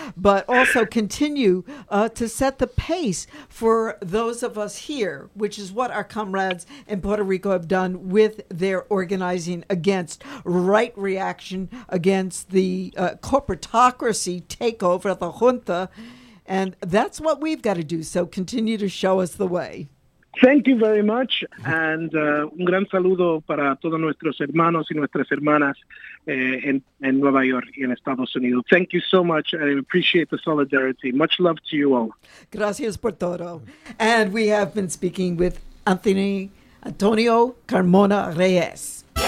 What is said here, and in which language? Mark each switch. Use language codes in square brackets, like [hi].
[en] But also continue to set the pace for those of us here, which is what our comrades in Puerto Rico have done with their organizing against right reaction, against the corporatocracy takeover of the junta. And that's what we've got to do. So continue to show us the way. Thank you very much. [es] And un gran saludo para todos nuestros hermanos y nuestras hermanas en Nueva York y en Estados Unidos. [en] Thank you so much. I appreciate the solidarity. Much love to you all. [es] Gracias por todo. [en] And we have been speaking with Antonio Carmona Reyes.